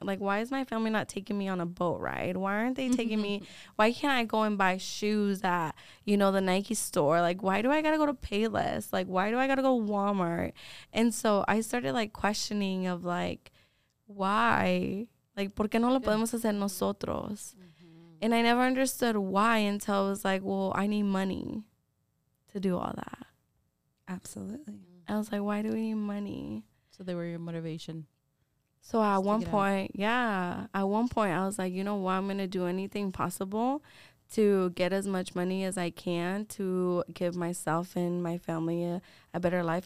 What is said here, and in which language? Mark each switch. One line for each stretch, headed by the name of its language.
English: Like, why is my family not taking me on a boat ride? Why aren't they taking me? Why can't I go and buy shoes at, you know, the Nike store? Like, why do I got to go to Payless? Like, why do I got to go Walmart? And so I started, like, questioning of, like, why?
Spanish: Like, ¿por qué no lo podemos hacer nosotros?
English: Mm-hmm. And I never understood why until I was like, well, I need money to do all that. Absolutely. I was like, why do we need money? So they were your motivation. So at one point I was like, you know what? I'm going to do anything possible to get as much money as I can to give myself and my family a better life.